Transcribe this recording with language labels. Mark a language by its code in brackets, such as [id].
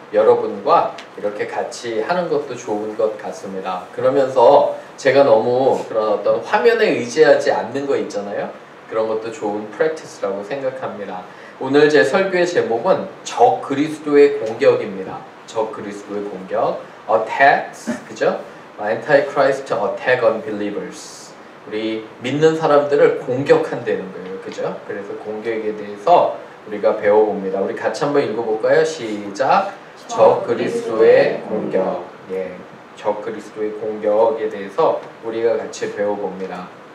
[ko] 여러분과 이렇게 같이 하는 것도 좋은 것 같습니다. 그러면서 제가 너무 그런 어떤 화면에 의지하지 않는 거 있잖아요. 그런 것도 좋은 프랙티스라고 생각합니다. 오늘 제 설교의 제목은 적 그리스도의 공격입니다. 적 그리스도의 공격. Attacks, 그죠? [en] Antichrist attack on believers. [ko] 우리 믿는 사람들을 공격한다는 거예요. 그죠? 그래서 공격에 대해서 우리가 배워봅니다. 우리 같이 한번 읽어볼까요? 시작! 적 그리스도의 공격. 예, 적 그리스도의 공격에 대해서 우리가 같이 배워봅니다.